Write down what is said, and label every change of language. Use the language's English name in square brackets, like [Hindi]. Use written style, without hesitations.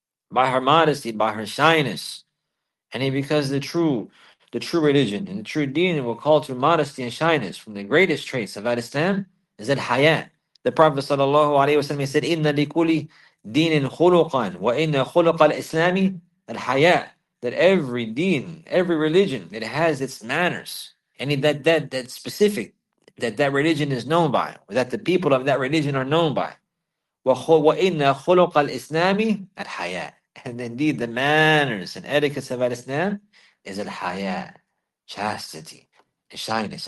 [English] By her modesty, by her shyness. And because the true religion and the true deen will call to modesty and shyness. From the greatest traits of Al-Islam is Al-Haya. The Prophet sallallahu alaihi wasallam said, [Arabic] إِنَّ لِكُلِّ دِينٍ خُلُقًا وَإِنَّ خُلُقَ الْإِسْلَامِ الْحَيَاء. [English] That every deen, every religion, it has its manners. And that specific, that religion is known by, that the people of that religion are known by. [Arabic] وَإِنَّ خُلُقَ الْإِسْلَامِ الْحَيَاءِ. [English] And indeed, the manners and etiquette of Al-Islam is al-haya, chastity, shyness.